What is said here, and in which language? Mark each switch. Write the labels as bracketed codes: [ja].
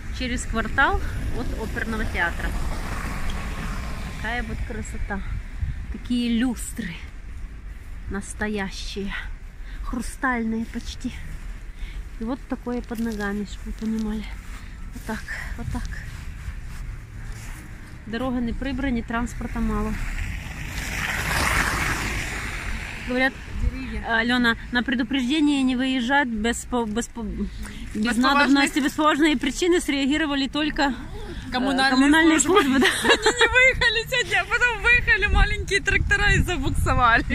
[ru] Через квартал от оперного театра. Такая вот красота. Такие люстры. Настоящие. Хрустальные почти. И вот такое под ногами, чтобы вы понимали. Вот так, вот так. [uk] Дороги не прибрані, транспорта мало. [ru] Говорят, Алена, на предупреждение не выезжать без надобности, без сложной причины среагировали только коммунальные службы. Да. Они не выехали сегодня, а потом выехали маленькие трактора и забуксовали.